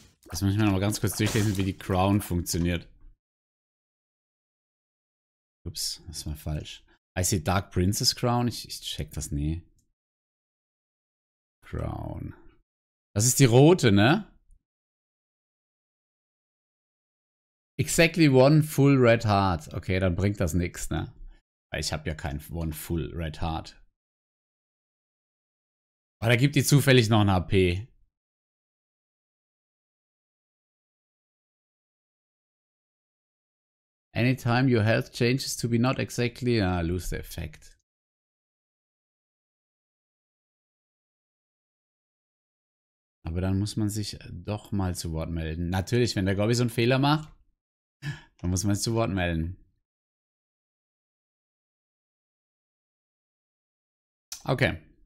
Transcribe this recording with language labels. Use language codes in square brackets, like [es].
[de] Jetzt muss ich mir noch mal ganz kurz durchlesen, wie die Crown funktioniert. Ups, das war falsch. I see Dark Princess Crown. Ich check das nie. Crown. Das ist die rote, ne? [en] Exactly one full red heart. [de] Okay, dann bringt das nix, ne? Weil ich hab ja kein [en] one full red heart. [de] Aber da gibt die zufällig noch ein HP. [en] Anytime your health changes to be not exactly, lose the effect. [de] Aber dann muss man sich doch mal zu Wort melden. Natürlich, wenn der Gobby so einen Fehler macht, dann muss man sich zu Wort melden. Okay.